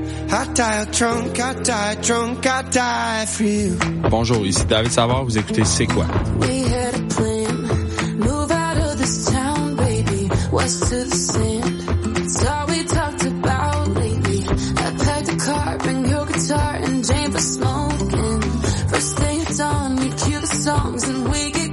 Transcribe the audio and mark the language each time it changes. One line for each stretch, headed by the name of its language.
English: I die drunk, I die for you.
French: Bonjour, ici David Savard, vous écoutez C'est quoi?
English: We had a plan, move out of this town, baby, west to the sand. It's all we talked about lately. I packed a car, bring your guitar and Jane for smoking. First thing it's on, we cue the songs and we